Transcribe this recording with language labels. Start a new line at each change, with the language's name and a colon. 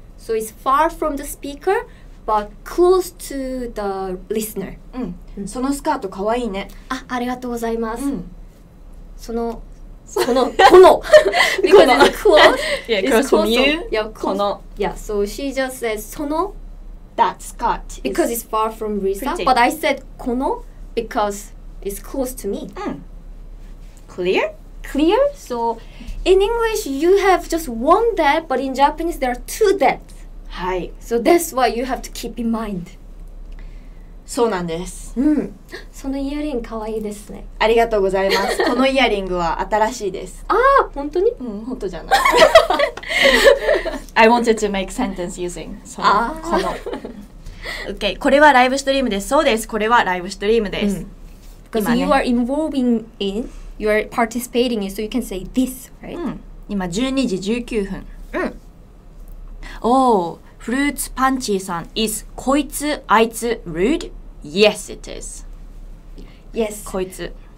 English: So it's far from the speaker, but close to the listener.
Japanese: うん。うん、そのスカートかわいいね。あ、ありがとうございます。うん、
English: その、その、この。Because it's close. Yeah, close from you. Yeah, close.
Japanese: この。
English: Yeah, so she just says その。 That skirt. Because it's far from Risa.、 Pretty. But I said この because it's close to me. うん。Clear? Clear? So in English you have just one that, but in Japanese there are two that.
Japanese: はい。
English: So that's what you have to keep in mind.
Japanese: そうなんです。うん。そのイヤリングかわいいですね。ありがとうございます。このイヤリングは新しいです。ああ、本当に？うん、本当じゃない。
English: I wanted to make sentence using そのこの。
Japanese: OK、これはライブストリームです。そうです。これはライブストリームです。うん、今ね。
English: Because you are involving in. You are participating in, so you can say this, right?、
Japanese: うん、今12時19分。うん。
English: Oh, Fruits Punchy さん is こいつ、あいつ rude? Yes, it is. Yes.
Japanese: こいつ。